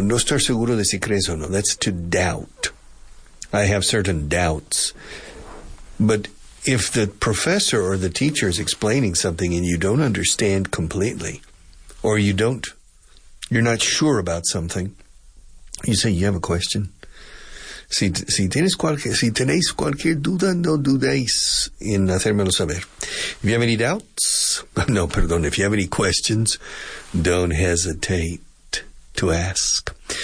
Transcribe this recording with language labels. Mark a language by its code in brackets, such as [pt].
[es] No estar seguro de si crees o no. [en] That's to doubt. I have certain doubts. But if the professor or the teacher is explaining something and you don't understand completely, or you're not sure about something, you say, you have a question? [es] Si tenéis cualquier duda, no dudéis en hacérmelo saber. [en] If you have any doubts, [es] no, perdón, [en] if you have any questions, don't hesitate to ask.